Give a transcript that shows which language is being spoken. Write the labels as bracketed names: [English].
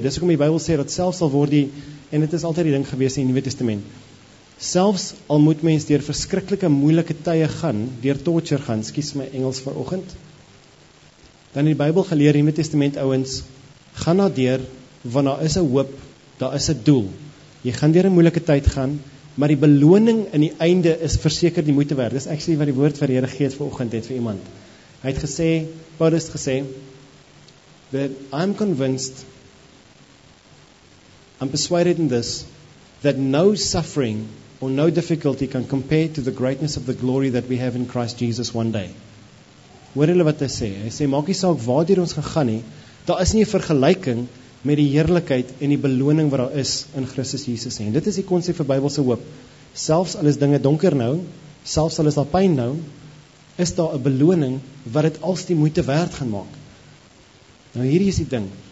[Afrikaans] Dis hoekom die Bybel sê dat selfs al word die, en dit is altyd die ding gewees in die Nuwe Testament, selfs al moet mens deur verskriklike moeilike tye gaan, deur torture gaan, skuis my Engels vanoggend, dan die Bybel geleer, die Nuwe Testament ouens, gaan na deur, want daar is 'n hoop, daar is 'n doel. Jy gaan deur 'n moeilike tyd gaan, maar die beloning in die einde is verseker die moeite werd. Dis actually wat die woord van die Here gee vanoggend het vir iemand. Hy het gesê, Paulus gesê, [English] that I'm convinced, I'm persuaded in this, that no suffering or no difficulty can compare to the greatness of the glory that we have in Christ Jesus one day. [Afrikaans] Hoor hulle wat hy sê? Hy sê, maak nie saak waardeur ons gegaan nie, daar is nie 'n vergelyking met die heerlikheid en die beloning wat daar is in Christus Jesus. En dit is die konsep vir Bybelse hoop. Selfs al is dinge donker nou, selfs al is daar pyn nou, is daar 'n beloning wat dit als die moeite werd gaan maak. Nou hier is die ding.